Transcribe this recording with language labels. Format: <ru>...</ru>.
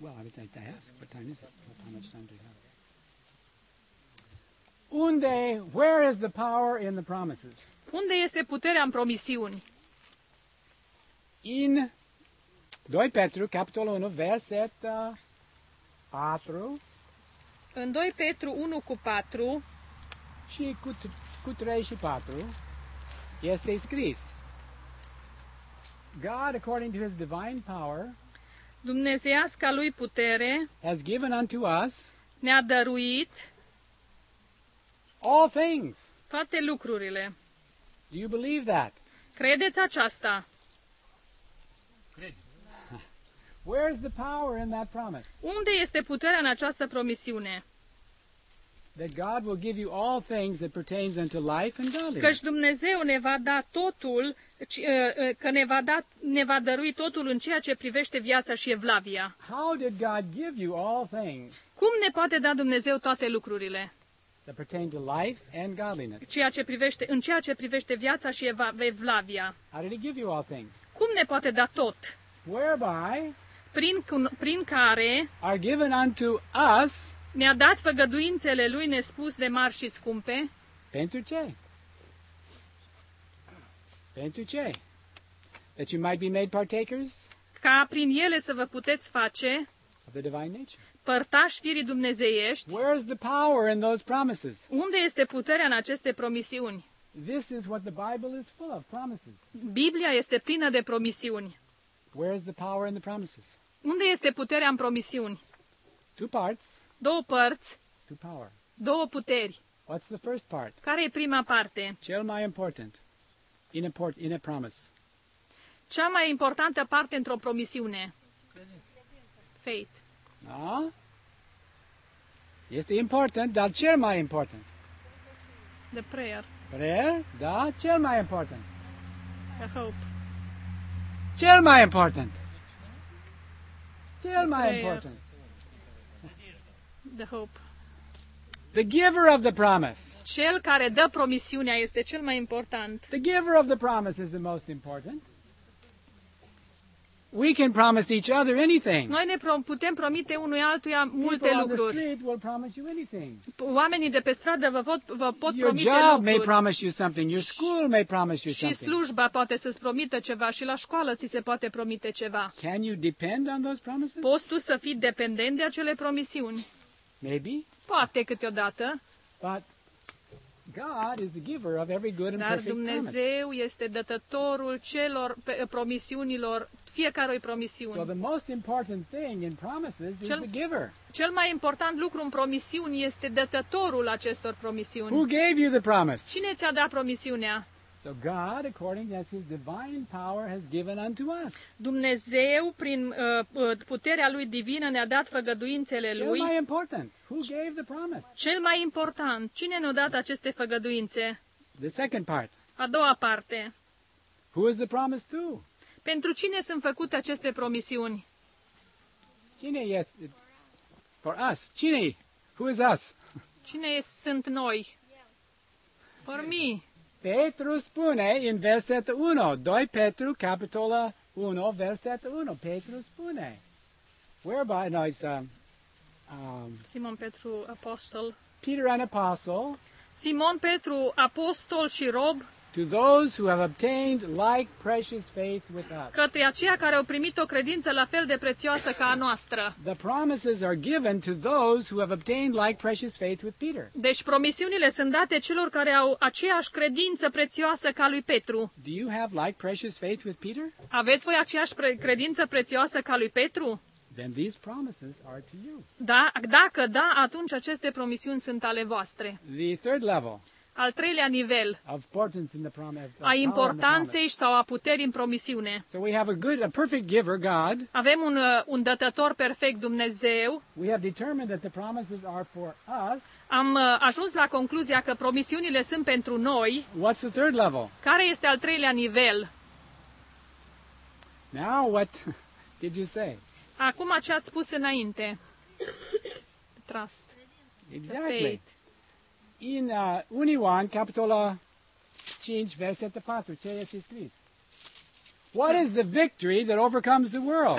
<en>Well, I would ask, what time is it? How much time do you have?</en> <ro>Unde,</ro> <en>where is the power in the promises?</en> <ro>Unde este puterea în promisiuni? In 2 Petru, capitolul 1, verset 4. În 2 Petru 1 cu 4. Și cu 3 și 4 este scris.</ro> <en>God, according to his divine power,</en> <ro>Dumnezeiasca lui putere,</ro> <en>has given unto us,</en> <ro>ne-a dăruit,</ro> <en>all things.</en> <ro>Toate lucrurile.</ro> <en>Do you believe that?</en> <ro>Credeți aceasta? Credeți.</ro> <en>Where is the power in that promise?</en> <ro>Unde este puterea în această promisiune?</ro> <en>That God will give you all things that pertains unto life and godliness.</en> <ro>Căci Dumnezeu ne va da totul, că ne va dărui totul în ceea ce privește viața și evlavia.</ro> <en>How did God give you all things?</en> <ro>Cum ne poate da Dumnezeu toate lucrurile?</ro> <en>That pertain to life and godliness.</en> <ro>În ceea ce privește viața și evlavia.</ro> <en>How did he give you all things?</en> <ro>Cum ne poate da tot?</ro> <en>Whereby?</en> <ro>Prin care?</ro> <en>Are given unto us.</en> <ro>Ne-a dat făgăduințele lui nespus de mari și scumpe. Pentru ce? Pentru ce?</ro> <en>That you might be made partakers?</en> <ro>Ca prin ele să vă puteți face</ro> <en>of the divine nature.</en> <ro>Părtași firii dumnezeiești.</ro> <en>Where is the power in those promises?</en> <ro>Unde este puterea în aceste promisiuni?</ro> <en>This is what the Bible is full of, promises.</en> <ro>Biblia este plină de promisiuni.</ro> <en>Where is the power in the promises?</en> <ro>Unde este puterea în promisiuni?</ro> <en>Two parts.</en> <ro>Două părți.</ro> <en>Two power.</en> <ro>Două puteri.</ro> <en>What's the first part?</en> <ro>Care e prima parte? Cel mai important.</ro> <en>In a promise.</en> <ro>Cea mai importantă parte într-o promisiune.</ro> <en>Faith.</en> <ro>Da? Este important, dar cel mai important.</ro> <en>The prayer.</en> <ro>Prayer? Da, cel mai important.</ro> <en>The hope.</en> <ro>Cel mai important. Cel mai important.</ro> <en>The hope. The giver of the promise.</en> <ro>Cel care dă promisiunea este cel mai important.</ro> <en>The giver of the promise is the most important. We can promise each other anything.</en> <ro>Noi ne putem promite unui altuia multe lucruri.</ro> <en>People on the street will promise you anything.</en> <ro>Oamenii de pe stradă vă pot promite lucruri.</ro> <en>Your job may promise you something. Your school may promise you something.</en> <ro>Și slujba poate să-ți promită ceva și la școală ți se poate promite ceva.</ro> <en>Can you depend on those promises?</en> <ro>Poți tu să fii dependent de acele promisiuni?</ro> <en>Maybe.</en> <ro>Poate câteodată.</ro> <en>But God is the giver of every good and perfect promise.</en> <ro>Dar Dumnezeu este dătătorul celor promisiunilor. Fiecarei promisiuni.</ro> <en>So the most important thing in promises is the giver.</en> <ro>Cel mai important lucru în promisiuni este dătătorul acestor promisiuni.</ro> <en>Who gave you the promise?</en> <ro>Cine ți-a dat promisiunea?</ro> <en>So God, according to his divine power, has given unto us.</en> <ro>Dumnezeu, prin puterea lui divină, ne-a dat făgăduințele lui. Cel mai important.</ro> <en>Who gave the promise?</en> <ro>Cel mai important. Cine ne-a dat aceste făgăduințe?</ro> <en>The second part.</en> <ro>A doua parte.</ro> <en>Who is the promise to?</en> <ro>Pentru cine sunt făcute aceste promisiuni? Cine este?</ro> <en>For us.</en> <ro>Cine?</ro> <en>Who is us?</en> <ro>Cine sunt noi?</ro> <en>For me.</en> <ro>Petru spune în versetul 1, 2 Petru, capitolul 1, versetul 1. Petru spune. Whereby noise Simon Petru apostol.</ro> <en>Peter an apostle.</en> <ro>Simon Petru apostol și rob.</ro> <en>To those who have obtained like precious faith with us.</en> <ro>Către aceia care au primit o credință la fel de prețioasă ca a noastră.</ro> <en>The promises are given to those who have obtained like precious faith with Peter.</en> <ro>Deci promisiunile sunt date celor care au aceeași credință prețioasă ca lui Petru.</ro> <en>Do you have like precious faith with Peter?</en> <ro>Aveți voi aceeași credință prețioasă ca lui Petru?</ro> <en>Then these promises are to you.</en> <ro>Da, dacă da, atunci aceste promisiuni sunt ale voastre.</ro> <en>The third level.</en> <ro>Al treilea nivel a importanței sau a puterii în promisiune.</ro> <en>So we have a good, a perfect giver, God.</en> <ro>Avem un dătător perfect, Dumnezeu.</ro> <en>We have determined that the promises are for us.</en> <ro>Am ajuns la concluzia că promisiunile sunt pentru noi.</ro> <en>What's the third level?</en> <ro>Care este al treilea nivel?</ro> <en>Now what did you say?</en> <ro>Acum ce ați spus înainte?</ro> <en>Trust. Exactly.</en> <ro>În 1 Ioan, capitolul 5, versetul 4, ce este scris?</ro> <en>What is the victory that overcomes the world?</en>